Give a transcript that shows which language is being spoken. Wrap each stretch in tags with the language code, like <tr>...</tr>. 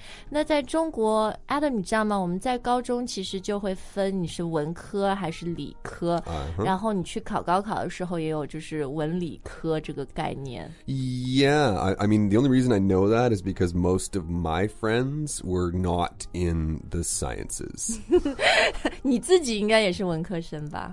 <zh>那在中国 ，Adam， 你知道吗？我们在高中其实就会分你是文科还是理科， uh-huh. 然后你去考高考的时候也有就是文理科这个概念。</zh> <en>Yeah, I mean, the only reason I know that is because most of my friends were not in the sciences.</en> <zh>你自己应该也是文科生吧</zh>